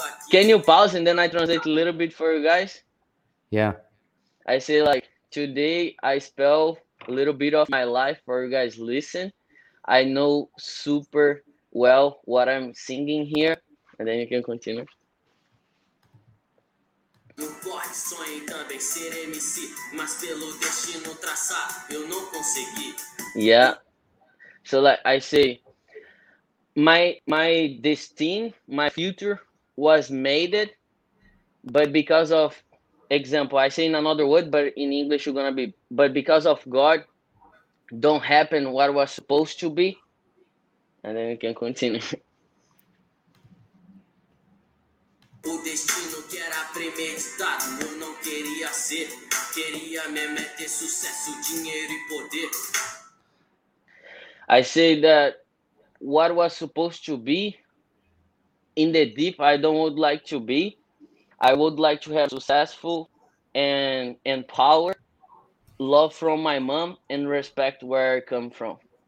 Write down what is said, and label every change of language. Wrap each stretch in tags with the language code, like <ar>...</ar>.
<en>Can you pause and then I translate a little bit for you guys? Yeah. I say like, today I spell a little bit of my life for you guys listen. I know super well what I'm singing here. And then you can continue.</en> <pt>Não pode sonhar em também ser MC, mas pelo destino traçar, eu não consegui.</pt> <en>Yeah. So like I say, my destiny, my future was made it, but because of example, I say in another word, but in English you're gonna be, but because of God, don't happen what was supposed to be. And then you can continue.</en> <pt>O destino que era premeditado, eu não queria ser. Queria mesmo é ter sucesso, dinheiro e poder.</pt> <en>I say that what was supposed to be in the deep, I don't would like to be. I would like to have successful and power, love from my mom, and respect where I come from.</en>